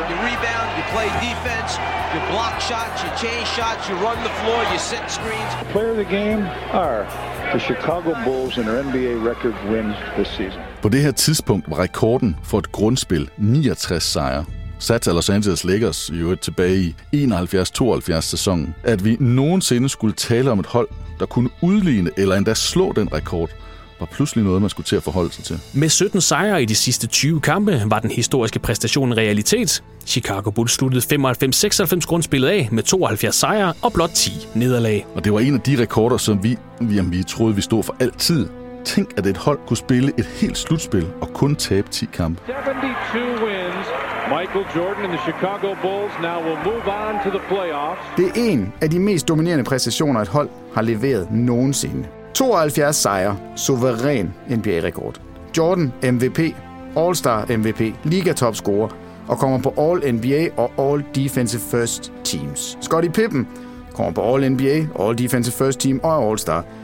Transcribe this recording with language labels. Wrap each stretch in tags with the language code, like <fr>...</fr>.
<en>You rebound, you play defense, you block shots, you chase shots, you run the floor, you set screens. The player of the game are the Chicago Bulls and their NBA record win this season.</en> <da>På det her tidspunkt var rekorden for et grundspil 69 sejre. Sat til Los Angeles Lakers jo tilbage i 71-72 sæsonen, at vi nogensinde skulle tale om et hold, der kunne udligne eller endda slå den rekord, var pludselig noget, man skulle til at forholde sig til. Med 17 sejre i de sidste 20 kampe var den historiske præstation en realitet. Chicago Bulls sluttede 95-96 grundspillet af med 72 sejre og blot 10 nederlag. Og det var en af de rekorder, som vi troede, vi stod for altid. Tænk, at et hold kunne spille et helt slutspil og kun tabe 10 kampe.</da> <en>72 wins. Michael Jordan and the Chicago Bulls now will move on to the playoffs.</en> <da>Det er en af de mest dominerende præstationer, et hold har leveret nogensinde. 72 sejre, suveræn NBA-rekord. Jordan MVP, All-Star MVP, Liga-topscorer og kommer på All-NBA og All-Defensive First Teams. Scottie Pippen kommer på All-NBA, All-Defensive First Team og All-Star.</da>